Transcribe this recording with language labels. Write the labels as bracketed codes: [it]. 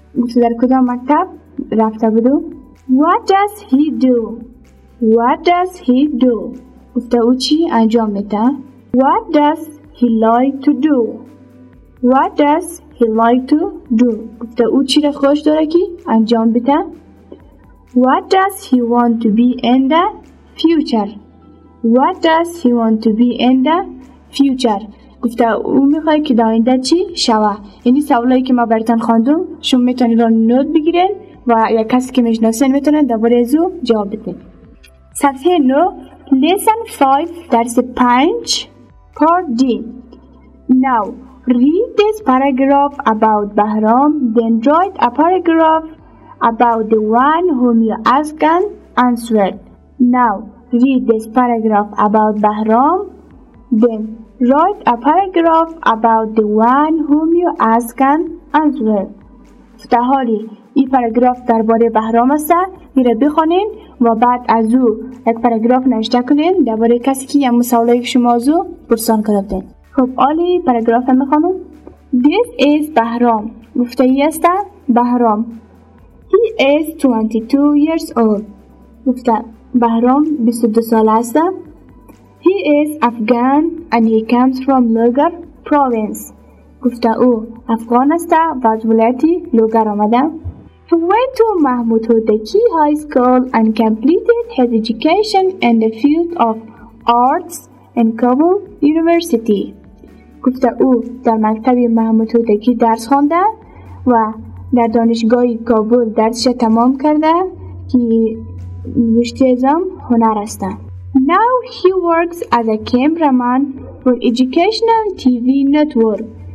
[fa] گفته در کدام مکتب رفته بودو؟ [en] What does he do? What does he do? [fa] گفته او چی انجام میده؟ [en] What does he like to do? What does he like to do? [fa] گفته او چی را خوش داره که انجام بده؟ [en] What does he want to be in the future? What does he want to be in the future? [fa] گفته او میخواد که در آینده چی شوه؟ یعنی سوالایی که ما براتون خواندم شما میتونید اون نوت بگیرید و یا کسی که میشناسین میتونه دوباره ازو جواب بده. صفحه 9 Lesson 5 درس 5 Part D. [en] Now read this paragraph about Bahram, then write a paragraph about the one whom you asked and answered. Now read this paragraph about Bahram, then write a paragraph about the one whom you asked and answered. [fa] فتحالی این پاراگراف درباره بهرام است. این را بخونین و بعد از او یک پاراگراف نوشته کنین درباره کسی که یه مسئله که شما از او پرسان کرده. خب آلی پاراگراف هم میخونم. [en] This is بهرام. [fa] گفته ای است بهرام. [en] He is 22 years old. [fa] گفته بهرام 22 سال است. [en] He is Afghan and he comes from Lugar province. [fa] گفته او افغان است و از ولایت لوگر آمده. [en] He went to Mahmud Hodaki High School and completed his education in the field of arts in Kabul University. [fa] گفته او در مکتب محمود هودکی درس خوانده و در دانشگاه کابل درسش تمام کرده که رشته ازم هنر است. [en] Now he works as a cameraman for educational TV network.